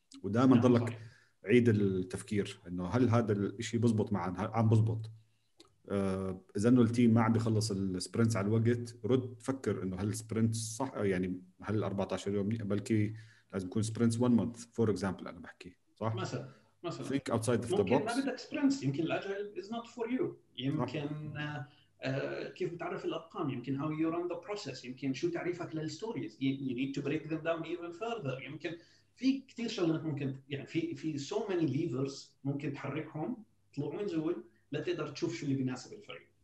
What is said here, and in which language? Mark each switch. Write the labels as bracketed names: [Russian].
[Arabic] ودائما ضلك عيد التفكير انه هل هذا الإشي بزبط مع عم بزبط. اذا انه التيم ما عم بيخلص السبرنتس على الوقت، رد فكر انه هل السبرنتس صح، يعني هل 14 يوم بلكي لازم يكون سبرنتس 1 مانث فور اكزامبل. انا بحكي صح مثلا [English] think outside of the box. [Arabic] ممكن ما بدك سبرنتس، يمكن الاجايل [English] is not for you، [Arabic] يمكن كيف بتعرف الارقام، يمكن [English] how you run the process، [Arabic] يمكن شو تعريفك للستوريز، [English] you need to break them down even further. [Arabic] يمكن في كثير شغلات ممكن يعني في [English] so many levers [Arabic] ممكن تحركهم طلوع ونزول لتقدر تشوف شو اللي بيناسب الفريق.